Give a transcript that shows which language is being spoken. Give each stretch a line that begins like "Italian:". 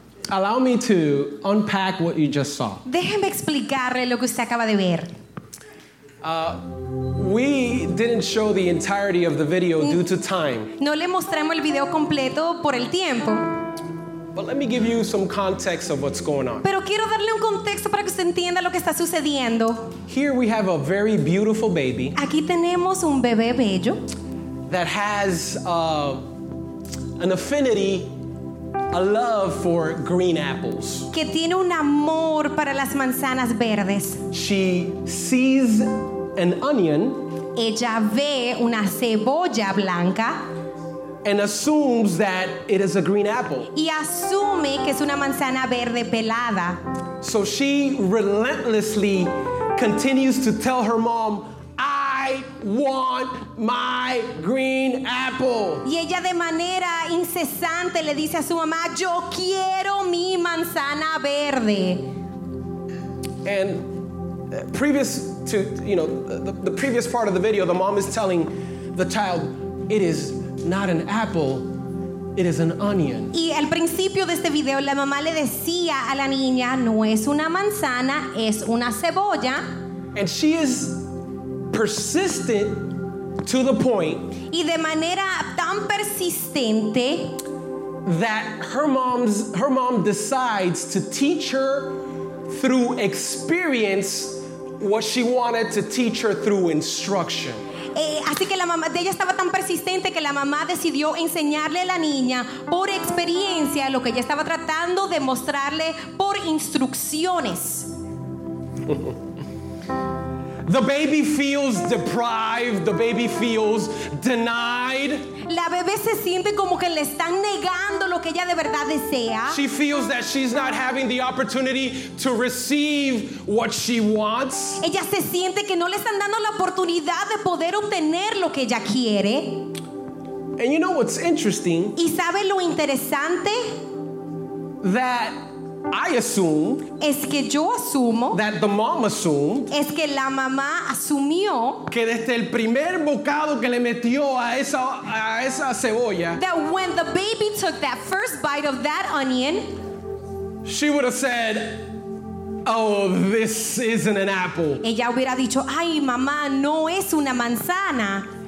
English: Allow me to unpack what you just saw.
Spanish: Déjeme explicarle lo que usted acaba de ver.
English: We didn't show the entirety of the video due to time.
Spanish: No le mostramos el video completo por el tiempo.
English: But let me give you some context of what's going on.
Spanish: Pero quiero darle un contexto para que usted entienda lo que está sucediendo.
English: Here we have a very beautiful baby.
Spanish: Aquí tenemos un bebé bello.
English: That has an affinity, a love for green apples.
Spanish: Que tiene un amor para las manzanas verdes.
English: She sees an onion.
Spanish: Ella ve una cebolla blanca.
English: And assumes that it is a green apple.
Spanish: Y asume que es una manzana verde pelada.
English: So she relentlessly continues to tell her mom, "I want my green apple."
Spanish: Y ella de manera incesante le dice a su mamá, "Yo quiero mi manzana verde."
English: And previous to, the previous part of the video, the mom is telling the child, it is not an apple, it is an onion.
Spanish: Y al principio de este video, la mamá le decía a la niña, no es una manzana, es una cebolla.
English: And she is persistent to the point.
Spanish: Y de manera tan persistente
English: that her mom decides to teach her through experience what she wanted to teach her through instruction.
Spanish: Así que la mamá de ella estaba tan persistente que la mamá decidió enseñarle a la niña por experiencia lo que ella estaba tratando de mostrarle por instrucciones.
English: The baby feels deprived. The baby feels denied.
Spanish: La bebé se siente como que le están negando lo que ella de verdad desea.
English: She feels that she's not having the opportunity to receive what she wants.
Spanish: Ella se siente que no le están dando la oportunidad de poder obtener lo que ella quiere.
English: And you know what's interesting?
Spanish: ¿Y sabe lo interesante?
English: That I assume,
Spanish: es que yo asumo,
English: that the mom assumed,
Spanish: es que la mamá asumió, que desde el primer bocado que le metió a esa cebolla,
English: that when the baby took that first bite of that onion, she would have said, oh, this isn't an apple.
Spanish: Ella hubiera dicho, ay, mamá, no es una manzana.